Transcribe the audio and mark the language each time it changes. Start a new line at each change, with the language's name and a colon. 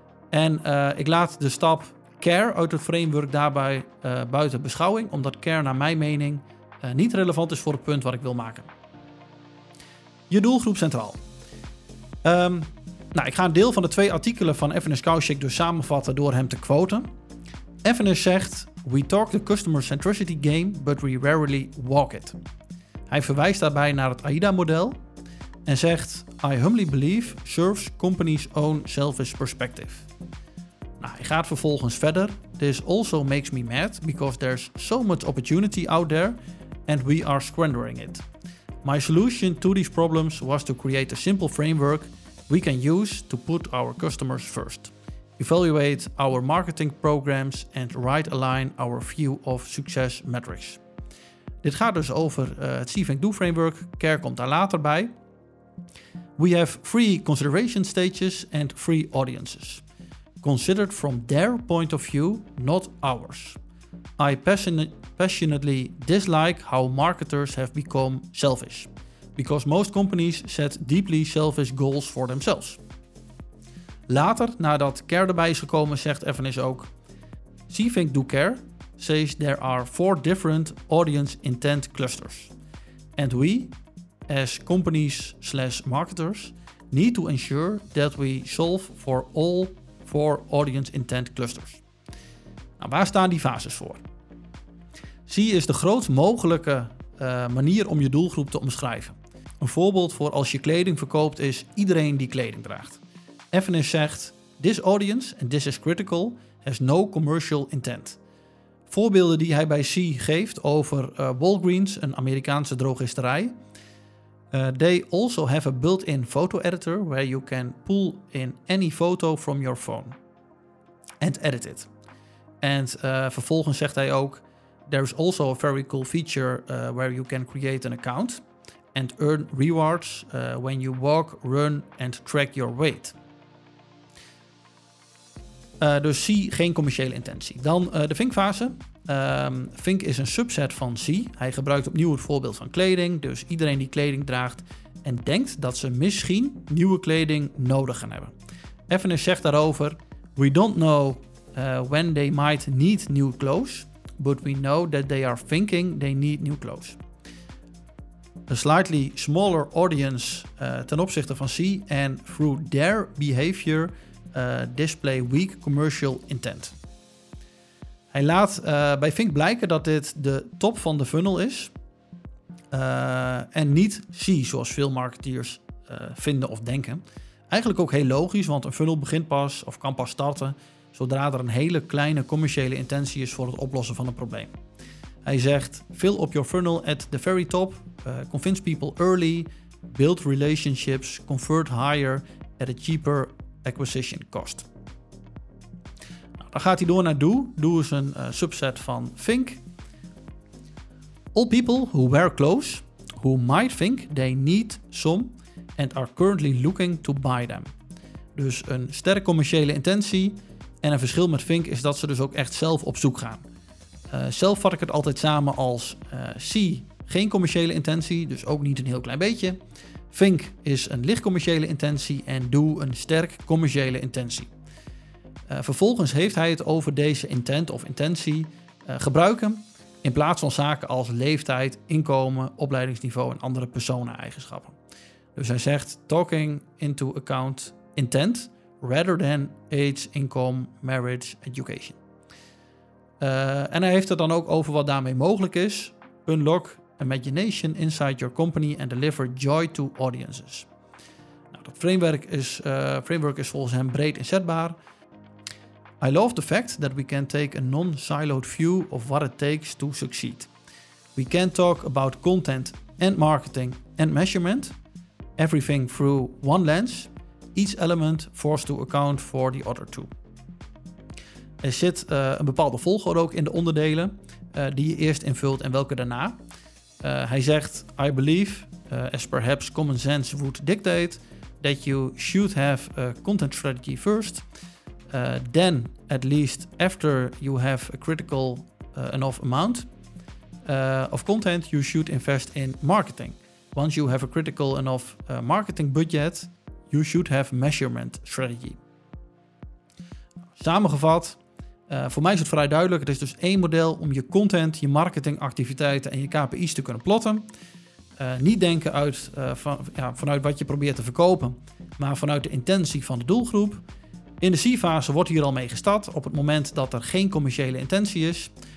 Dutch: En ik laat de stap care uit het framework daarbij buiten beschouwing, omdat care naar mijn mening niet relevant is voor het punt wat ik wil maken. Je doelgroep centraal. Ik ga een deel van de twee artikelen van Evanesh Kaushik dus samenvatten door hem te quoten. Evanesh zegt:
English: "We talk the customer centricity game, but we rarely walk it."
Dutch: Hij verwijst daarbij naar het AIDA-model en zegt:
English: "I humbly believe serves company's own selfish perspective."
Dutch: Nou, hij gaat vervolgens verder:
English: "This also makes me mad because there's so much opportunity out there and we are squandering it. My solution to these problems was to create a simple framework we can use to put our customers first, evaluate our marketing programs and right align our view of success metrics."
Dutch: Dit gaat dus over het See, Think, Do framework. Care komt daar later bij.
English: "We have 3 consideration stages and 3 audiences, considered from their point of view, not ours. I passionately dislike how marketers have become selfish, because most companies set deeply selfish goals for themselves."
Dutch: Later, nadat Care erbij is gekomen, zegt Evanesh ook:
English: "See, Think, Do, Care says there are 4 different audience intent clusters. And we, as companies/marketers, need to ensure that we solve for all 4 audience intent clusters."
Dutch: Nou, waar staan die fases voor? See is de grootst mogelijke manier om je doelgroep te omschrijven. Een voorbeeld voor als je kleding verkoopt is iedereen die kleding draagt. Evanesh zegt:
English: "This audience, and this is critical, has no commercial intent."
Dutch: Voorbeelden die hij bij See geeft over Walgreens, een Amerikaanse drogisterij.
English: "They also have a built-in photo editor where you can pull in any photo from your phone and edit it."
Dutch: En vervolgens zegt hij ook:
English: "There's also a very cool feature where you can create an account and earn rewards when you walk, run and track your weight."
Dutch: Dus See, geen commerciële intentie. Dan de Think-fase. Think is een subset van See. Hij gebruikt opnieuw het voorbeeld van kleding. Dus iedereen die kleding draagt en denkt dat ze misschien nieuwe kleding nodig gaan hebben.
English: Evanesh zegt daarover: "We don't know when they might need new clothes, but we know that they are thinking they need new clothes."
Dutch: Een
English: slightly smaller audience
Dutch: ten opzichte van
English: See, and through their behavior display weak commercial intent.
Dutch: Hij laat bij Think blijken dat dit de top van de funnel is en niet See, zoals veel marketeers vinden of denken. Eigenlijk ook heel logisch, want een funnel begint pas of kan pas starten zodra er een hele kleine commerciële intentie is voor het oplossen van een probleem. Hij zegt,
English: fill up your funnel at the very top, convince people early, build relationships, convert higher at a cheaper acquisition cost.
Dutch: Nou, dan gaat hij door naar Do. Do is een subset van Think.
English: All people who wear clothes, who might think they need some and are currently looking to buy them.
Dutch: Dus een sterke commerciële intentie en een verschil met Think is dat ze dus ook echt zelf op zoek gaan. Zelf vat ik het altijd samen als see, geen commerciële intentie, dus ook niet een heel klein beetje. Think is een licht commerciële intentie en Do een sterk commerciële intentie. Vervolgens heeft hij het over deze intent of intentie gebruiken in plaats van zaken als leeftijd, inkomen, opleidingsniveau en andere persona-eigenschappen. Dus hij zegt
English: talking into account intent rather than age, income, marriage, education.
Dutch: En hij heeft het dan ook over wat daarmee mogelijk is.
English: Unlock imagination inside your company and deliver joy to audiences.
Dutch: Nou, dat framework is volgens hem breed inzetbaar.
English: I love the fact that we can take a non-siloed view of what it takes to succeed. We can talk about content and marketing and measurement. Everything through one lens. Each element forced to account for the other two.
Dutch: Er zit een bepaalde volgorde ook in de onderdelen die je eerst invult en welke daarna. Hij zegt,
English: I believe, as perhaps common sense would dictate, that you should have a content strategy first. Then, at least after you have a critical enough amount of content, you should invest in marketing. Once you have a critical enough marketing budget, you should have measurement strategy.
Dutch: Samengevat, voor mij is het vrij duidelijk. Het is dus één model om je content, je marketingactiviteiten en je KPI's te kunnen plotten. Niet denken vanuit wat je probeert te verkopen, maar vanuit de intentie van de doelgroep. In de C-fase wordt hier al mee gestart op het moment dat er geen commerciële intentie is.